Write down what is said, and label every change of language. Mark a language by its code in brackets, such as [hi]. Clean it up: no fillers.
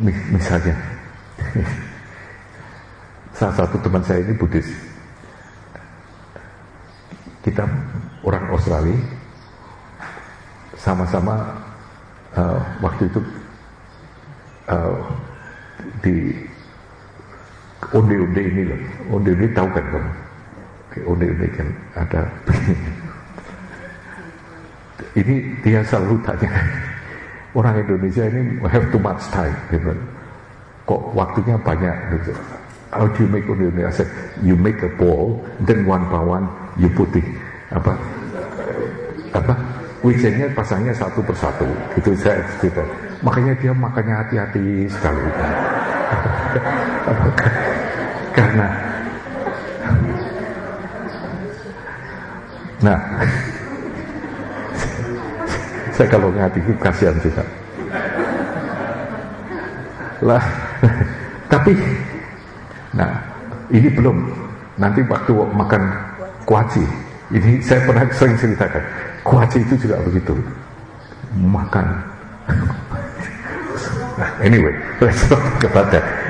[id] Misalnya salah satu teman saya ini Buddhis, kita orang Australia, sama-sama waktu itu di onde-onde ini loh, onde-onde tahu kan kamu? Onde-onde kan ada ini dia selalu tanya, orang Indonesia ini [en] have too much time, [id] gitu. Kok waktunya banyak? Gitu. [en] How do you make onde-onde? I said, you make a ball, then one by one you [id] putih apa? Wijennya pasangnya satu persatu, gitu saya cerita. Makanya dia makannya hati-hati sekali. Karena, nah, saya kalau ngerti itu kasihan juga. Lah, tapi, nah, ini belum. Nanti waktu makan kuaci, ini saya pernah sering ceritakan, kuaci itu juga begitu. Makan. [en] Anyway, let's talk about that.